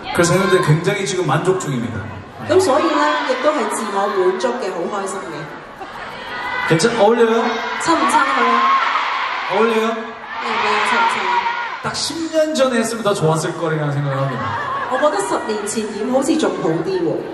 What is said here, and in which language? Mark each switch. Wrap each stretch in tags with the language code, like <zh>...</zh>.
<ko>그래서 현재 굉장히 지금 만족 중입니다.</ko> <yue>咁所以咧，亦都係自我滿足嘅，好開心嘅。</yue> <ko>괜찮 어울려요?</ko> <yue>差唔差啊？</yue> <ko>어울려요? 네，</ko> <yue>差唔差？</yue> <ko>딱 10년 전에 했으면 더 좋았을 거라는 생각을 합니다.</ko> <yue>我覺得10年前染好似仲好啲喎。</yue>